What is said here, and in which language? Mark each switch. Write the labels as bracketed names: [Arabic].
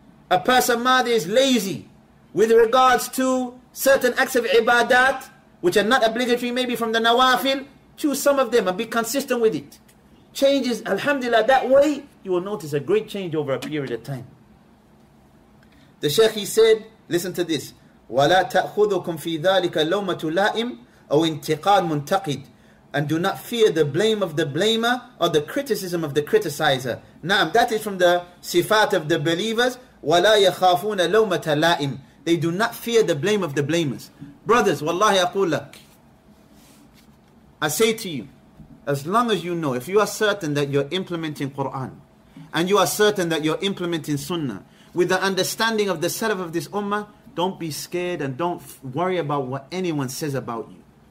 [English] A person mother is lazy with regards to certain acts of ibadat, which are not obligatory, maybe from the nawafil, choose some of them and be consistent with it. Changes, alhamdulillah, that way, you will notice a great change over a period of time. The Shaykh, he said, listen to this, [Arabic] وَلَا تَأْخُذُكُمْ فِي ذَلِكَ لَوْمَةُ لَائِمٍ أَوْ انْتِقَاد مُنْتَقِد. [English] And do not fear the blame of the blamer or the criticism of the criticizer. Naam, that is from the sifat of the believers. [Arabic] وَلَا يَخَافُونَ لَوْمَةَ لَائِمٍ. [English] They do not fear the blame of the blamers. Brothers, [Arabic] wallahi aqul lak, [English] I say to you, as long as you know, if you are certain that you're implementing Quran, and you are certain that you're implementing Sunnah, with the understanding of the salaf of this ummah, don't be scared and don't worry about what anyone says about you.